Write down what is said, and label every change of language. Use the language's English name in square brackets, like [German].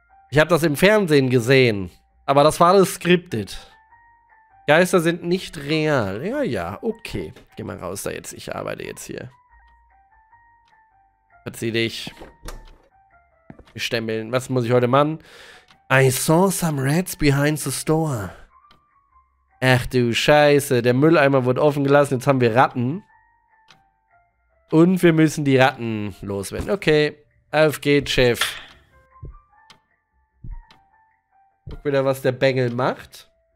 [German] Ich habe das im Fernsehen gesehen. Aber das war alles scripted. Geister sind nicht real. Ja, ja, okay. Geh mal raus da jetzt. Ich arbeite jetzt hier. Verzieh dich. Stempeln. Was muss ich heute machen? [English] I saw some rats behind the store. [German] Ach du Scheiße, der Mülleimer wurde offen gelassen, jetzt haben wir Ratten. Und wir müssen die Ratten loswerden. Okay, auf geht's, Chef. Guck wieder, was der Bengel macht.